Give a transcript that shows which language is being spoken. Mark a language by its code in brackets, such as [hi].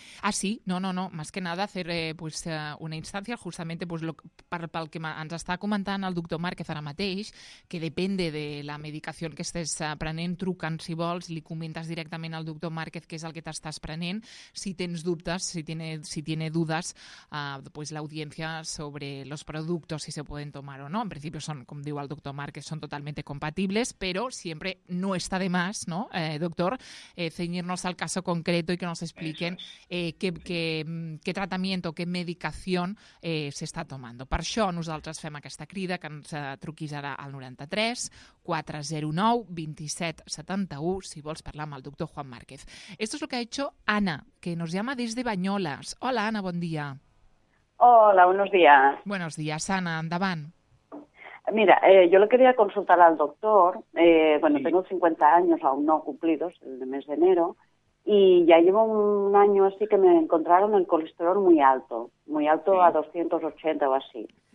[es] Ah, sí, no, más que nada hacer pues una instancia justamente pues [ca] pel que ens està comentant el doctor Márquez ara mateix, que depèn de la medicació que estàs prenent, truquen si vols, li comentes directament al doctor Márquez què és el que t'estàs prenent, si tens dubtes, [es] si tiene dudas, pues l'audiència sobre los productos, si se pueden tomar o no. En principio son, como digo al doctor Márquez, son totalmente compatibles, pero siempre no está de más, ¿no, doctor? Ceñirnos al caso concreto y que nos expliquen qué tratamiento, qué medicación s'està tomando. [ca] Per això nosaltres fem aquesta crida, que ens truquis ara al 93-409-2771, si vols parlar amb el doctor Juan Márquez. [es] Esto es lo que ha hecho Ana, que nos llama desde Banyoles. [ca] Hola, Ana, bon dia. [es] Hola, buenos días. Buenos días, Ana, endavant. Mira, yo le quería consultar al doctor, sí. Tengo 50 años aún no cumplidos, el mes de enero, y ya llevo un año así que me encontraron el colesterol muy alto sí. A 280 o así.